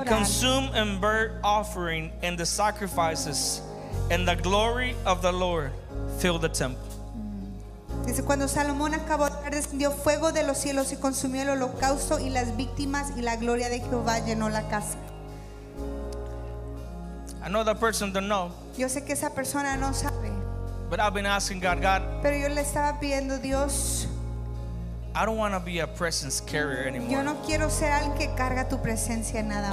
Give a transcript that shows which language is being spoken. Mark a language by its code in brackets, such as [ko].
[en] and consumed and burnt offering and the sacrifices, and the glory of the Lord filled the temple. [es] Dice, cuando Salomón acabó, descendió fuego de los cielos y consumió el holocausto y las víctimas, y la gloria de Jehová llenó la casa. [en] I know that person don't know. [es] Yo sé que esa persona no sabe. [en] But I've been asking God, God. [es] Pero yo le estaba pidiendo Dios. [en] I don't want to be a presence carrier anymore. [es] Yo no quiero ser alguien que carga tu presencia nada más.